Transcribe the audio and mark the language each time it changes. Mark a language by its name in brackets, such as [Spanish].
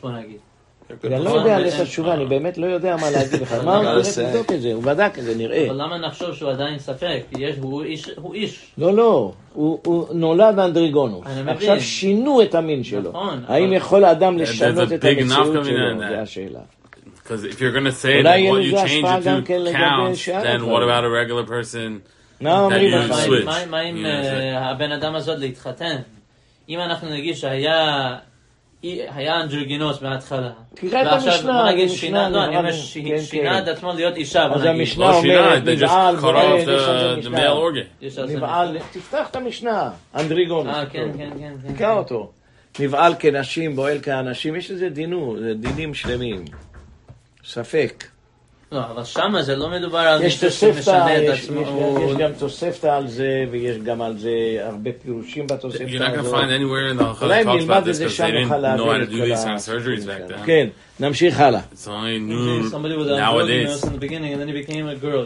[Hebrew] בוא נגיד. אני לא יודע על איזה תשובה, אני באמת לא יודע מה להגיד לך. מה הוא רוצה לדוק את זה? הוא בדק את זה, נראה. אבל למה נחשוב שהוא עדיין ספק? הוא איש. לא, לא. הוא נולד אנדריגונוס. עכשיו שינו את המין שלו. האם יכול האדם לשנות את המציאות שלו? זו השאלה. [English] Because if you're going to say that what you change it to counts, then what about a regular person that you switch? [Hebrew] מה אם הבן אדם הזאת להתחתן? אם אנחנו נגיד שהיה אנדריגונוס מההתחלה. תראה את המשנה. ועכשיו נגיד שינה, לא, אני אומר שינה את עצמו להיות אישה. אז המשנה אומרת, נבעל. [English] They just cut off the male organ. [Hebrew] נבעל, תפתח את המשנה, אנדריגונוס. כן. תקע אותו. נבעל כנשים, בועל כאנשים, יש איזה דינו, דינים שלמים. ספק. לא, אבל שמה זה לא מדובר על מישהו שמשנה את עצמו. יש גם תוספתה על זה, ויש גם על זה הרבה פירושים בתוספתה הזו. [English] You're not going to find anywhere in the Halachot that talks about this, because they didn't know how to do these kind of surgeries back then. [Hebrew] כן, נמשיך הלאה. [English] It's only new nowadays. Somebody was in the beginning, and then he became a girl.